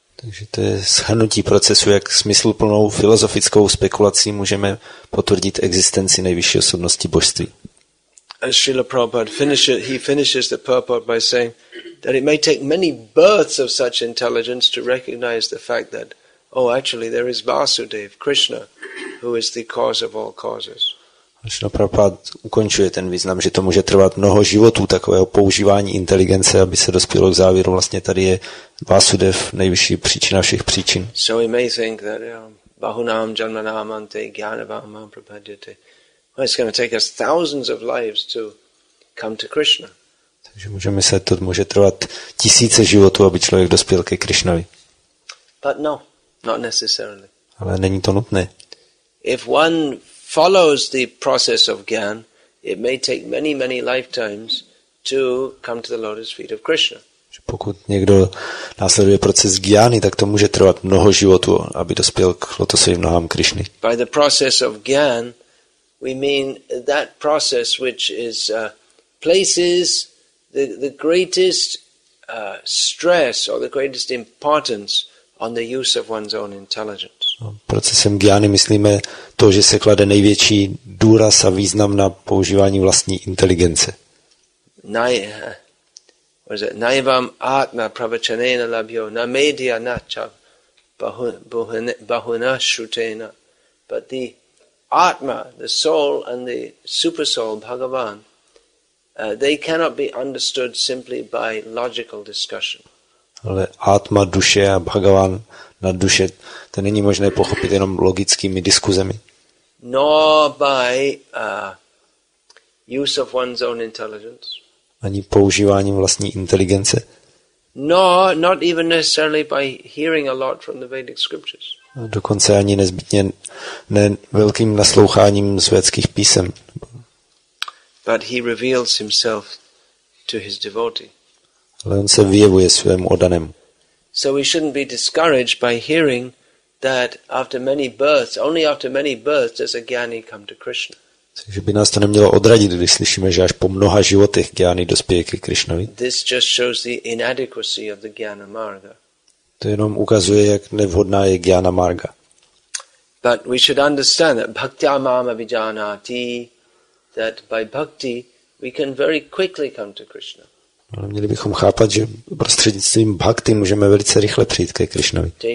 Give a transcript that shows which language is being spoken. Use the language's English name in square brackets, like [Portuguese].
[Czech] Takže to je shrnutí procesu, jak smysluplnou filozofickou spekulací můžeme potvrdit existenci nejvyšší osobnosti božství. [English] As Srila Prabhupada finishes, he finishes the purport by saying that it may take many births of such intelligence to recognize the fact that, oh, actually there is Vasudev, Krishna, who is the cause of all causes. [Czech] Srila Prabhupada ukončuje ten význam, že to může trvat mnoho životů takového používání inteligence, aby se dospělo k závěru. Vlastně tady je Vasudev nejvyšší příčina všech příčin. [English] So we may think that [Sanskrit] Bahunam Janmanam Ante Gyanavam Prabhadyate. [English] Well, it's going to take us thousands of lives to come to Krishna. [Czech] Takže můžeme myslet, to může trvat tisíce životů, aby člověk dospěl ke Krishnovi. [English] But no, not necessarily. [Czech] Ale není to nutné. [English] If one follows the process of Gyan, it may take many, many lifetimes to come to the lotus feet of Krishna. [Czech] Pokud někdo následuje proces Gyány, tak to může trvat mnoho životů, aby dospěl k lotosovým nohám Krishny. [English] By the process of Gyan, we mean that process which is places the greatest stress or the greatest importance on the use of one's own intelligence. [Czech] Procesem gyány myslíme to, že se klade největší důraz a význam na používání vlastní inteligence. [Sanskrit] Naivam atma pravachanena labhyo na medhya na cha bahuna shrutena. [English] But the Atma, the soul and the super soul, Bhagavan, they cannot be understood simply by logical discussion. [Czech] Ale Atma, duše a Bhagavan na duše, to není možné pochopit jenom logickými diskuzemi. [English] Nor by use of one's own intelligence. [Czech] Ani používáním vlastní inteligence. [English] Nor, not even necessarily by hearing a lot from the Vedic scriptures. [Czech] Dokonce ani nezbytně ne velkým nasloucháním z vědských písem. [English] But he reveals himself to his devotee. [Czech] Ale on se vyjevuje svému oddanému. [English] So we shouldn't be discouraged by hearing that after many births, only after many births does a gyani come to Krishna. [Czech] Takže by nás to nemělo odradit, když slyšíme, že až po mnoha životech gyani dospěje ke Krishnovi. [English] This just shows the inadequacy of the gyana marga. [Czech] To jenom ukazuje, jak nevhodná je Gyana Marga. [English] But we should understand that [Sanskrit] bhaktya mama vijanati, [English] that by bhakti we can very quickly come to Krishna. [Czech] Ale měli bychom chápat, že prostřednictvím bhakti můžeme velice rychle přijít ke Krishnovi.